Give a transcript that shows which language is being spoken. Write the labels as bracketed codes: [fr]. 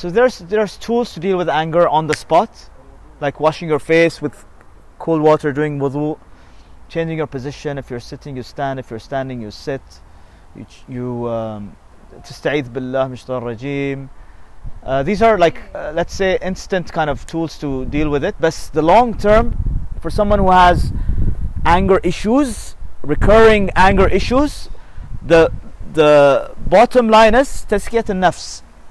[en] So there's tools to deal with anger on the spot, like washing your face with cold water, doing wudu, changing your position. If you're sitting, you stand. If you're standing, you sit. [ar] تستعيذ بالله من الشيطان الرجيم. [en] These are like, let's say, instant kind of tools to deal with it. But the long term, for someone who has anger issues, recurring anger issues, the bottom line is [ar] تزكية النفس.